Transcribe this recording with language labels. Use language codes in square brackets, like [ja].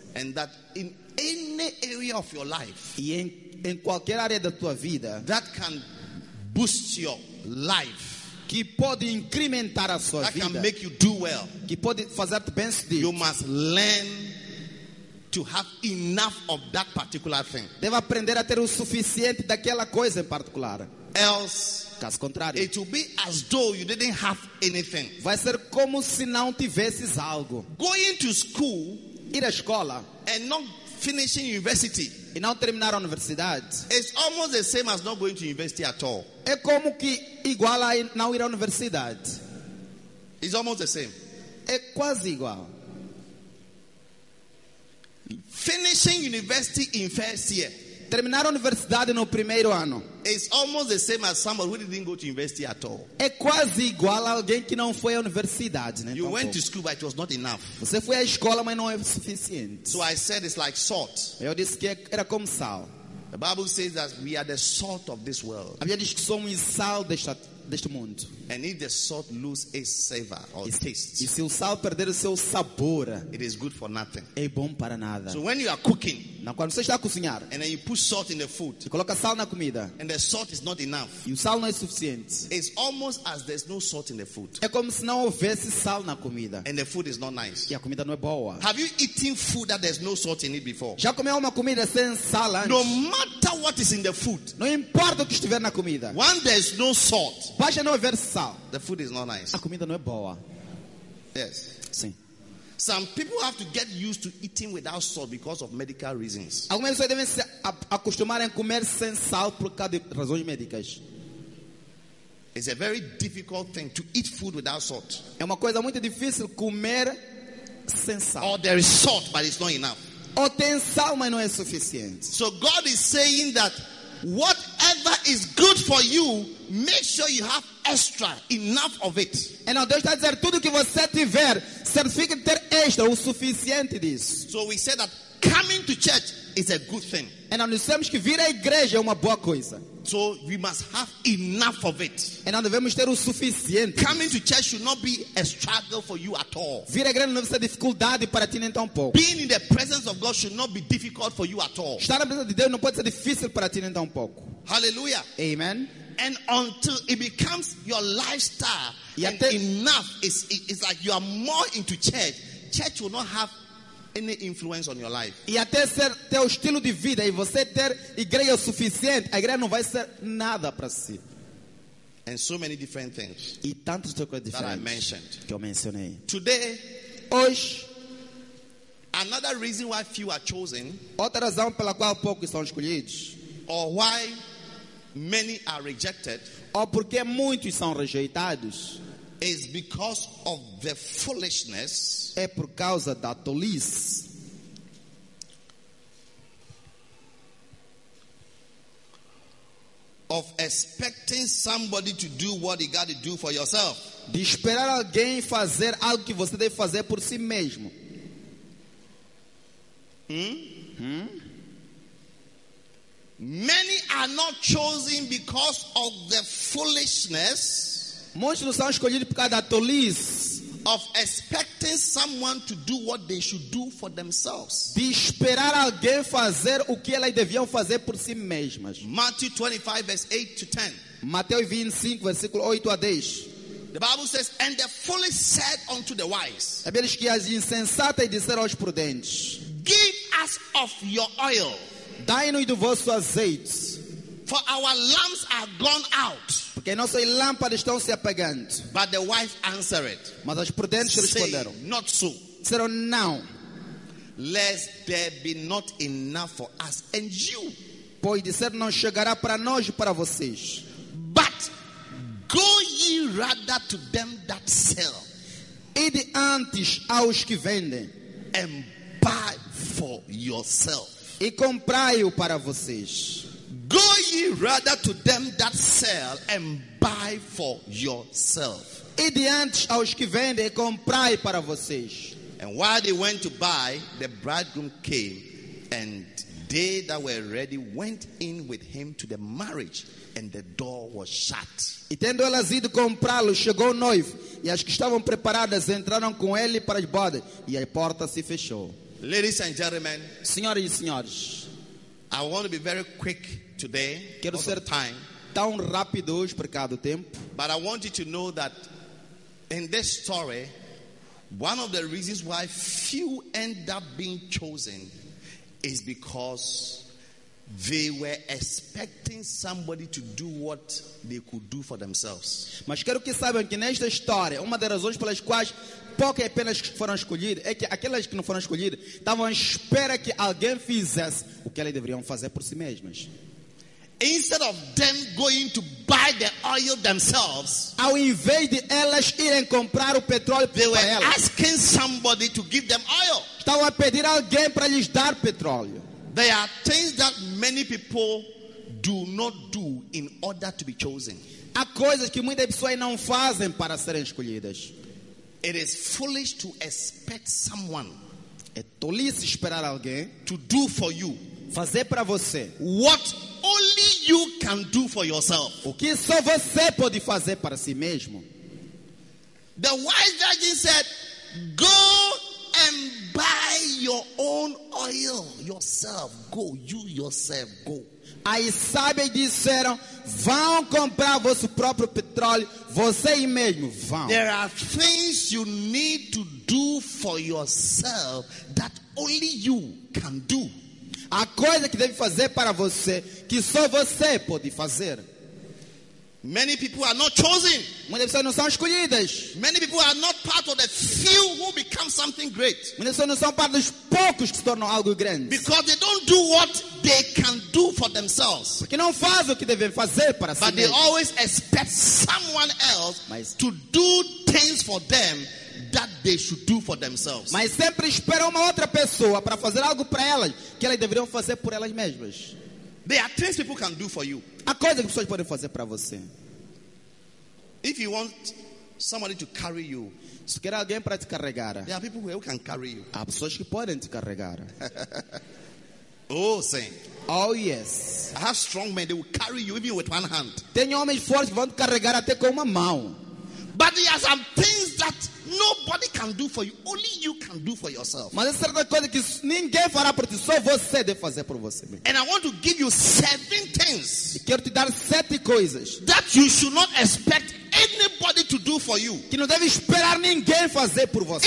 [en] And that in any area of your life. [pt] E em qualquer área da tua vida. [en] That can boost your life. [pt] Que pode incrementar a sua [en] that [pt] vida. [en] Can make you do well. [pt] Que pode fazer bem sucedido. [en] You must learn to have enough of that particular thing. [pt] Deve aprender a ter o suficiente daquela coisa em particular. [en] Else, [pt] caso contrário, [en] it will be as though you didn't have anything. [pt] Vai ser como se não tivesses algo. [en] Going to school, [pt] ir à escola, [en] and not finishing university, [pt] e não terminar a universidade, [en] is almost the same as not going to university at all. [pt] É como que igual a não ir à universidade. [en] It's almost the same. [pt] É quase igual. [en] Finishing university in first year. [pt] Terminar a universidade no primeiro ano. [en] It's almost the same as someone who didn't go to university at all. [pt] É quase igual a alguém que não foi à universidade, né? [en] You [pt] tampouco. [en] Went to school, but it was not enough. [pt] Você foi à escola, mas não é suficiente. [en] So I said it's like salt. [pt] Eu disse que era como sal. [en] The Bible says that we are the salt of this world. [pt] A Bíblia diz que somos sal deste mundo. [en] And if the salt lose its savor or taste, [pt] e se o sal perder o seu sabor, [en] it is good for nothing. [pt] É bom para nada. [en] So when you are cooking, [pt] quando você está a cozinhar, [en] and then you put salt in the food, [pt] e coloca sal na comida, [en] and the salt is not enough, [pt] e o sal não é suficiente, [en] it's almost as there's no salt in the food. [pt] É como se não houvesse sal na comida, [en] and the food is not nice. [pt] E a comida não é boa. [en] Have you eaten food that there's no salt in it before? [pt] Já comeu uma comida sem sal antes? [en] No matter what is in the food, [pt] não importa o que estiver na comida. [en] When there's no salt, [pt] basta não houver sal. [en] The food is not nice. [pt] A comida não é boa. [en] Yes. [pt] Sim. [en] Some people have to get used to eating without salt because of medical reasons. [pt] Algumas pessoas devem se acostumar a comer sem sal por causa de razões médicas. [en] It's a very difficult thing to eat food without salt. [pt] É uma coisa muito difícil comer sem sal. [en] Or there is salt, but it's not enough. [pt] Ou tem sal, mas não é suficiente. [en] So God is saying that whatever is good for you, make sure you have extra, enough of it. And now [pt] Deus está dizendo, tudo que você tiver, certifique ter extra, o suficiente disso. [en] So we said that coming to church is a good thing. And now [pt] dissemos que vir à igreja é uma boa coisa. [en] So we must have enough of it. [pt] E nós devemos ter o suficiente. [en] Coming to church should not be a struggle for you at all. [pt] Vir à igreja não deve ser dificuldade para ti nem tampouco. [en] Being in the presence of God should not be difficult for you at all. [pt] Estar na presença de Deus não pode ser difícil para ti nem tampouco. [en] Hallelujah. Amen. And until it becomes your lifestyle, [pt] e [en] and [pt] até [en] enough is it's like you are more into church. Church will not have any influence on your life. [pt] E até ser teu estilo de vida e você ter igreja suficiente, a igreja não vai ser nada para si. [en] And so many different things. [pt] E tantas coisas diferentes [en] that I mentioned. [pt] Que eu mencionei. [en] Today, [pt] hoje, [en] another reason why few are chosen. [pt] Outra razão pela qual poucos são escolhidos. [en] Or why many are rejected. [pt] Ou porque muitos são rejeitados. [en] Is because of the foolishness. [pt] É por causa da tolice. [en] Of expecting somebody to do what you got to do for yourself. [pt] De esperar alguém fazer algo que você deve fazer por si mesmo. [en] Many are not chosen because of the foolishness. [pt] Muitos não são escolhidos por causa da tolice. [en] Of expecting someone to do what they should do for themselves. [pt] De esperar alguém fazer o que elas deviam fazer por si mesmas. [en] Matthew 25, verse 8 to 10. [pt] Mateus 25, versículo 8 a 10. [en] The Bible says, and the foolish said unto the wise. [pt] A Bíblia diz que as insensatas disseram aos prudentes. [en] Give us of your oil. [pt] Dai-nos do vosso azeite. [en] For our lamps are gone out. [pt] Porque nossas lâmpadas estão se apagando. [en] But the wise answered. [pt] Mas as prudentes responderam. [en] Not so. [pt] Disseram não. [en] Lest there be not enough for us and you. [pt] Pois disseram não chegará para nós e para vocês. [en] But go ye rather to them that sell. [pt] Ide antes aos que vendem. [en] And buy for yourself. [pt] E comprai-o para vocês. [en] Go ye rather to them that sell and buy for yourself. [pt] Ide antes aos que vendem e comprai para vocês. [en] And while they went to buy, the bridegroom came and They that were ready went in with him to the marriage, and the door was shut. [pt] E tendo elas ido comprá-lo, chegou o noivo, e as que estavam preparadas entraram com ele para as bodas, e a porta se fechou. [en] Ladies and gentlemen, [pt] senhoras e senhores, [en] I want to be very quick today. [pt] Quero ser [en] time [pt] tão rápido hoje por causa do tempo. [en] But I want you to know that in this story, one of the reasons why few end up being chosen is because they were expecting somebody to do what they could do for themselves. [pt] Mas quero que saibam que nesta história, uma das razões pelas quais poucas apenas foram escolhidas é que aquelas que não foram escolhidas estavam à espera que alguém fizesse o que elas deveriam fazer por si mesmas. [en] Instead of them going to buy the oil themselves, [pt] ao invés de elas irem comprar o petróleo para elas, [en] they were asking somebody to give them oil. [pt] Estavam a pedir alguém para lhes dar petróleo. [en] There are things that many people do not do in order to be chosen. [pt] Há coisas que muitas pessoas não fazem para serem escolhidas. [en] It is foolish to expect someone, [pt] é tolice esperar alguém, [en] to do for you, [pt] fazer para você, [en] what only you can do for yourself. [pt] O que só você pode fazer para si mesmo. [en] The wise virgin said, go and buy your own oil yourself. Go, you yourself, go. [pt] As sábias disseram, vão comprar vosso próprio petróleo, você mesmo, vão. [en] There are things you need to do for yourself that only you can do. [pt] Há coisa que deve fazer para você que só você pode fazer. [en] Many people are not chosen. [pt] Muitas pessoas não são escolhidas. [en] Many people are not part of the few who become something great. [pt] Muitas pessoas não são parte dos poucos que se tornam algo grande. [en] Because they don't do what they can do for themselves. [pt] Porque não fazem o que devem fazer para si mesmos. [en] But they always expect someone else to do things for them that they should do for themselves. [pt] Mas sempre esperam uma outra pessoa para fazer algo para elas que elas deveriam fazer por elas mesmas. [en] There are things people can do for you. [pt] Há coisas que pessoas podem fazer para você. [en] If you want somebody to carry you, [pt] se quer alguém para te carregar, [en] there are people who can carry you. [pt] Há pessoas que podem te carregar. Oh, sim. [en] Oh, yes. I have strong men, they will carry you even with one hand. [pt] Tenho homens fortes que vão te carregar até com uma mão. [en] But there are some things that nobody can do for you, only you can do for yourself. [pt] Mas essa é uma coisa que ninguém fará por ti, só você deve fazer por você mesmo. [en] And I want to give you 7 things. [pt] E quero te dar 7 coisas [en] that you should not expect anybody to do for you. [pt] Que não deve esperar ninguém fazer por você.